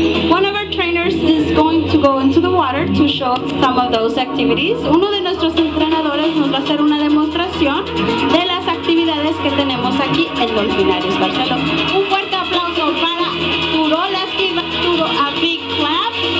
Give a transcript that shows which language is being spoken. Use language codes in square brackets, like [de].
[en] One of our trainers is going to go into the water to show some of those activities. [es] Uno de nuestros entrenadores nos va a hacer una demostración de las actividades que tenemos aquí en Dolfinarios Barcelona. Un fuerte aplauso para Arturo. [en] Let's give Arturo a big clap.